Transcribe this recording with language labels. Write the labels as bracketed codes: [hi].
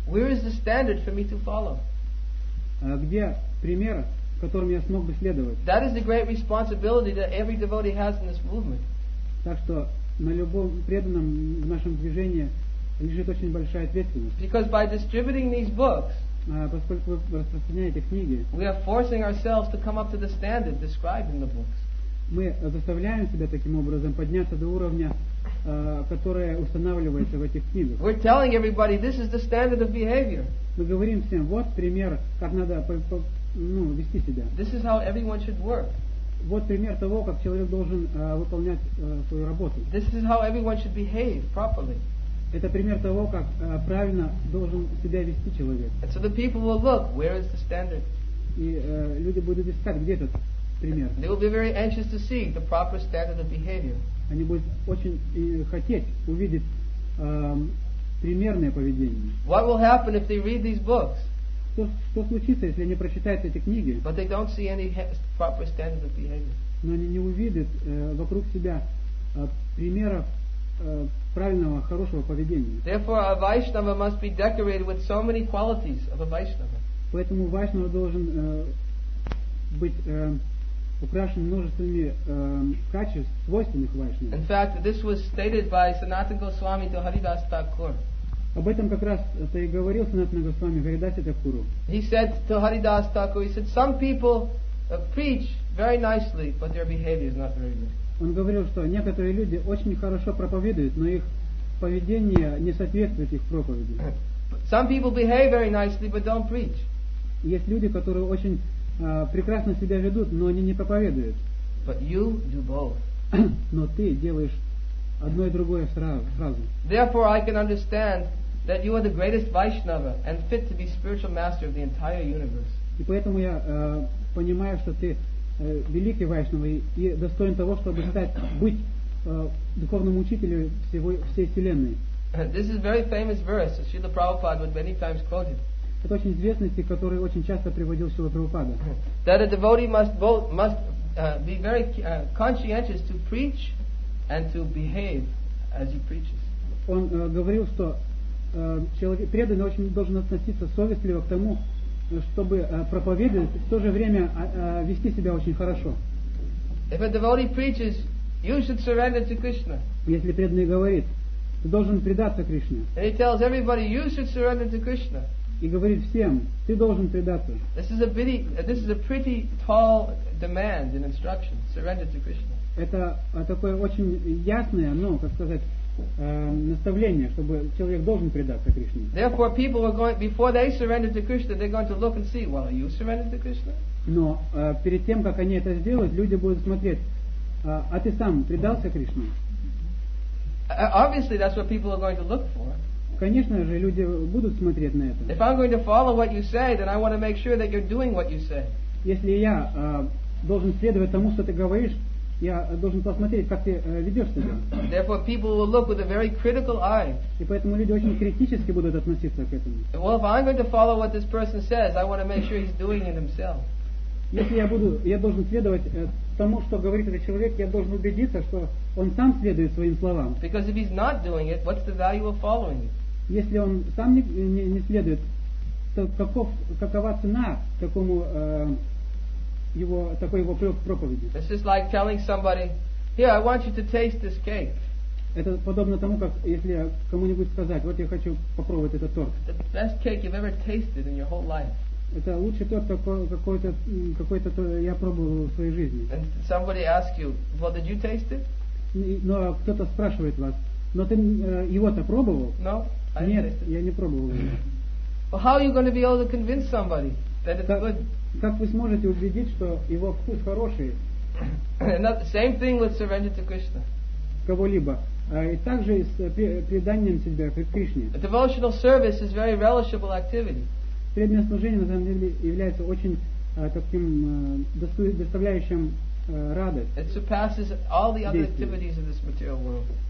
[en] Where is the standard for me to follow? [ru] Где пример, которым я смог бы следовать? [en] That is the great responsibility that every devotee has in this movement. [ru] Так что на любом преданном в нашем движении лежит очень большая ответственность. [en] Because by distributing these books, [ru] поскольку вы распространяете книги, [en] we are forcing ourselves to come up to the standard described in the books. [ru] Мы заставляем себя таким образом подняться до уровня, которое устанавливается в этих книгах. [en] We're telling everybody this is the standard of behavior. [ru] Мы говорим всем, вот пример, как надо вести себя. [en] This is how everyone should work. [ru] Вот пример того, как человек должен выполнять свою работу. [en] This is how everyone should behave properly. [ru] Это пример того, как правильно должен себя вести человек. [en] And so the people will look, where is the standard? [ru] И люди будут искать, где этот пример. [en] They will be very anxious to see the proper standard of behavior. [ru] Они будут очень хотеть увидеть примерное поведение. [en] What will happen if they read these books? [ru] Что случится, если они прочитают эти книги? [en] But they don't see any proper standard of behavior. [ru] Но они не увидят вокруг себя примеров правильного, хорошего поведения. [en] Therefore, a Vaishnava must be decorated with so many qualities of a Vaishnava. [ru] Поэтому Вайшнава должен быть украшен множественными качеств, свойственных Вайшнаве. [en] In fact, this was stated by Sanatana Goswami to Haridas Thakur. [ru] Об этом как раз это и говорил Санатана Госвами Харидасе Такуру. [en] He said to Haridas Thakur, he said, some people preach very nicely, but their behavior is not very good. [ru] Он говорил, что некоторые люди очень хорошо проповедуют, но их поведение не соответствует их проповеди. [en] Some people behave very nicely, but don't preach. [ru] Есть люди, которые очень прекрасно себя ведут, но они не проповедуют. [en] But you do both. [ru] Но ты делаешь одно и другое сразу. [en] Therefore, I can understand that you are the greatest Vaishnava and fit to be spiritual master of the entire universe. [ru] И поэтому я понимаю, что ты великий Вайшнава и достоин того, чтобы быть духовным учителем всей вселенной. [en] This is very famous verse that Srila Prabhupada would many times quote. [ru] Это очень известный стих, который очень часто приводил Шрила Прабхупада. [en] That a devotee must be very conscientious to preach and to behave as he preaches. [ru] Он говорил, что преданный очень должен относиться совестливо к тому, чтобы проповедовать, в то же время вести себя очень хорошо. [en] If a devotee preaches, you should surrender to Krishna. [ru] Если преданный говорит, ты должен предаться Кришне. [en] And he tells everybody, you should surrender to Krishna. [ru] И говорит всем, ты должен предаться. [en] This is a pretty tall demand in instruction, surrender to Krishna. [ru] Это такое очень ясное, ну, как сказать, наставление, чтобы человек должен предаться Кришне. [en] Therefore, people are going before they surrender to Krishna, they're going to look and see, well, are you surrendered to Krishna? [ru] Но перед тем, как они это сделают, люди будут смотреть, а ты сам предался Кришне? [en] Obviously, that's what people are going to look for. [ru] Конечно же, люди будут смотреть на это. [en] If I'm going to follow what you say, then I want to make sure that you're doing what you say. [ru] Если я должен следовать тому, что ты говоришь, я должен посмотреть, как ты ведешь себя. [en] Therefore, people will look with a very critical eye. [ru] И поэтому люди очень критически будут относиться к этому. [en] Well, if I'm going to follow what this person says, I want to make sure he's doing it himself. [ru] Если я должен следовать тому, что говорит этот человек, я должен убедиться, что он сам следует своим словам. [en] Because if he's not doing it, what's the value of following it? [ru] Если он сам не следует, то какова цена такому его проповеди? [en] This is like telling somebody, here, I want you to taste this cake. [ru] Это подобно тому, как если кому-нибудь сказать, вот я хочу попробовать этот торт. [en] The best cake you've ever tasted in your whole life. [ru] Это лучший торт, какой-то я пробовал в своей жизни. [en] And somebody asks you, well, did you taste it? [ru] Но кто-то спрашивает вас, но ты его-то пробовал? [en] No, I didn't taste it. [ru] Нет, я не пробовал. [en] Well, how are you going to be able to convince somebody that it's good? [ru] Как вы сможете убедить, что его вкус хороший? [en] Same thing with surrender to Krishna. [ru] Кого-либо. И также с преданием себя к Кришне. [en] A devotional service is very relishable activity. [ru] Преданное служение, на самом деле, является очень таким доставляющим радость. [en] It surpasses all the other activities of this material world.